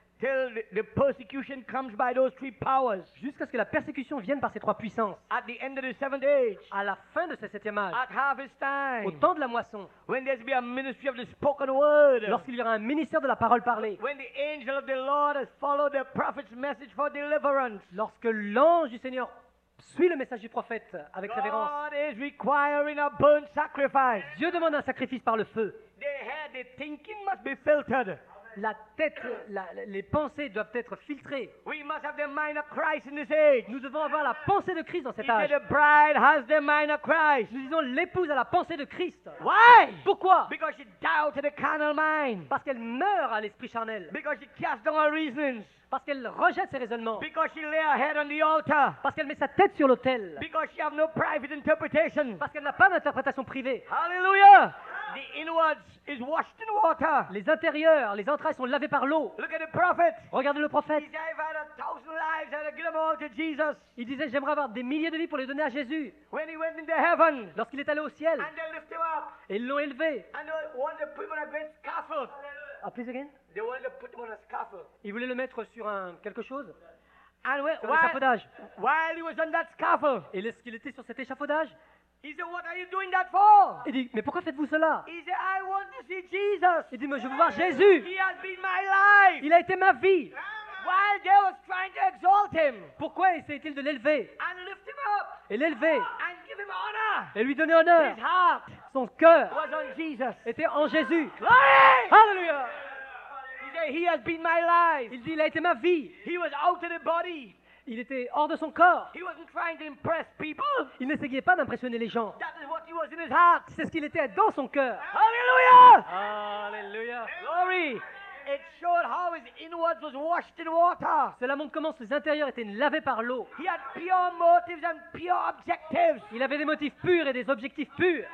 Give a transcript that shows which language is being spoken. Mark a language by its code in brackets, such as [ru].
[en] Till the persecution comes by those three powers. [fr] Jusqu'à ce que la persécution vienne par ces trois puissances. [en] At the end of the seventh age. [fr] À la fin de ce septième âge. [en] At harvest time. [fr] Au temps de la moisson. [en] When there's be a ministry of the spoken word. [fr] Lorsqu'il y aura un ministère de la parole parlée. [en] When the angel of the Lord has followed the prophet's message for deliverance. [fr] Lorsque l'ange du Seigneur suis le message du prophète avec [en] God [fr] révérence. [en] God is requiring a burnt sacrifice. [fr] Dieu demande un sacrifice par le feu. [en] The head, the thinking must be filtered. [fr] La tête, les pensées doivent être filtrées. [en] We must have the mind of Christ in this age. [fr] Nous devons avoir la pensée de Christ dans cet âge. [en] The bride has the mind of Christ. [fr] Nous disons l'épouse a la pensée de Christ. [en] Why? [fr] Pourquoi? [en] Because she died to the carnal mind. [fr] Parce qu'elle meurt à l'esprit charnel. [en] Because she casts down her reasons. [fr] Parce qu'elle rejette ses raisonnements. [en] Because she lay her head on the altar. [fr] Parce qu'elle met sa tête sur l'autel. [en] Because she have no private interpretation. [fr] Parce qu'elle n'a pas d'interprétation privée. [en] Hallelujah. The inwards is washed in water. [fr] Les intérieurs, les entrailles sont lavées par l'eau. [en] Look at the prophet. [fr] Regardez le prophète. [en] He gave out a thousand lives and give them all to Jesus. [fr] Il disait, j'aimerais avoir des milliers de vies pour les donner à Jésus. [en] When he went into heaven. [fr] Lorsqu'il est allé au ciel. [en] And they lift him up. [fr] Et ils l'ont élevé. [en] And they wanted to put him on a great scaffold. Ah, please again. They wanted to put him on a scaffold. [fr] Ils voulaient le mettre sur un quelque chose. [en] And while he was on that scaffold. [fr] Et lorsqu'il était sur cet échafaudage. [en] He said, "What are you doing that for?" [fr] Il dit, mais pourquoi faites-vous cela? [en] He said, "I want to see Jesus." [fr] Il dit, mais je veux voir Jésus. [en] He has been my life. [fr] Il a été ma vie. [en] While they were trying to exalt him. [fr] Pourquoi essayait-il de l'élever? [en] And lift him up. [fr] Et l'élever. [en] And give him honor. [fr] Et lui donner honneur. [en] His heart. [fr] Son cœur. [en] Was on Jesus. [fr] Était en Jésus. [en] Glory! Hallelujah. He said, "He has been my life." [fr] Il dit, il a été ma vie. [en] He was out of the body. [fr] Il était hors de son corps. [en] He wasn't trying to impress people. [fr] Il n'essayait pas d'impressionner les gens. [en] That is what he was in his heart. [fr] C'est ce qu'il était dans son cœur. Alléluia! Alléluia! [en] Glory! It showed how his inwards was washed in water. [fr] Cela montre comment ses intérieurs étaient lavés par l'eau. [en] He had pure motives and pure objectives. [fr] Il avait des motifs purs et des objectifs purs.